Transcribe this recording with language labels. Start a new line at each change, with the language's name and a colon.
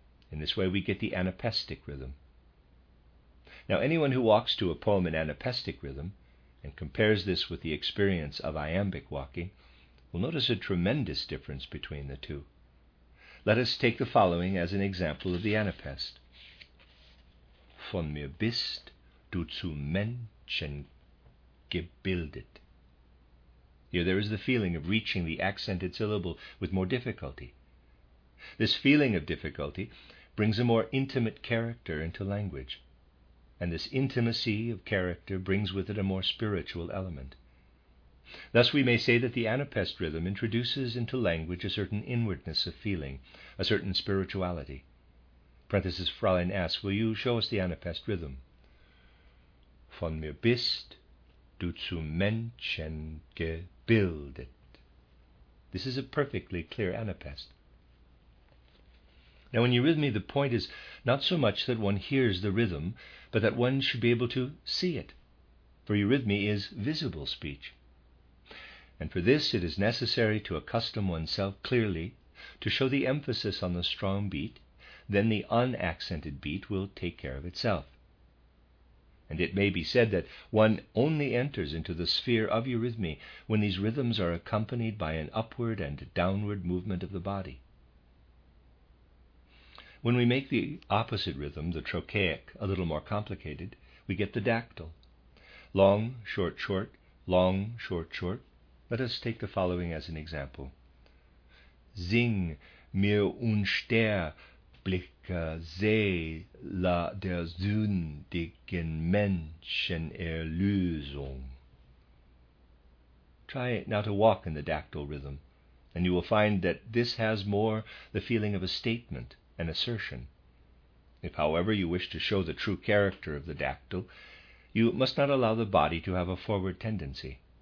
English: In this way we get the anapestic rhythm. Now anyone who walks to a poem in anapestic rhythm and compares this with the experience of iambic walking will notice a tremendous difference between the two. Let us take the following as an example of the anapest.
German: Von mir bist du zu Menschen gebildet.
English: Here there is the feeling of reaching the accented syllable with more difficulty. This feeling of difficulty brings a more intimate character into language, and this intimacy of character brings with it a more spiritual element. Thus we may say that the anapest rhythm introduces into language a certain inwardness of feeling, a certain spirituality. Fräulein S., will you show us the anapest rhythm?
German: Von mir bist du zu Menschen gebildet.
English: This is a perfectly clear anapest. Now, when you rhythm me, the point is not so much that one hears the rhythm, but that one should be able to see it, for eurythmy is visible speech. And for this it is necessary to accustom oneself clearly, to show the emphasis on the strong beat, then the unaccented beat will take care of itself. And it may be said that one only enters into the sphere of eurythmy when these rhythms are accompanied by an upward and downward movement of the body. When we make the opposite rhythm, the trochaic, a little more complicated, we get the dactyl. Long, short, short, long, short, short. Let us take the following as an example.
German: Sing mir unsterbliche Seele der sündigen Menschen Erlösung.
English: Try now to walk in the dactyl rhythm, and you will find that this has more the feeling of a statement, an assertion. If, however, you wish to show the true character of the dactyl, you must not allow the body to have a forward tendency.